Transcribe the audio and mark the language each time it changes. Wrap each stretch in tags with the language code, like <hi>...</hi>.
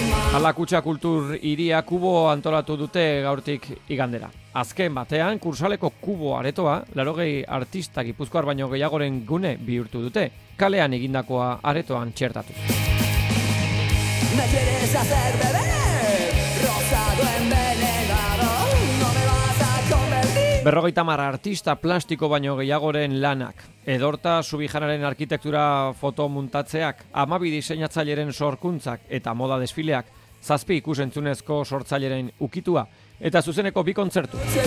<eu>Hala, kutxa kultur iria kubo antolatu dute gaurtik igandera. Azken batean, kursaleko kubo aretoa, 80 artista gipuzkoar baino gehiagoren gune bihurtu dute, kalean egindakoa aretoan txertatu.</eu> <es>Me quieres hacer beber, rosado envenenado, no me vas a convertir.</es> <eu>50 artista plastiko baino gehiagoren lanak, edorta Subijanaren arkitektura fotomuntatzeak, 12 diseinatzaileren sorkuntzak eta moda desfileak, 7 ikusentzunezko sortzaileren ukitua eta zuzeneko bi kontzertu.</eu>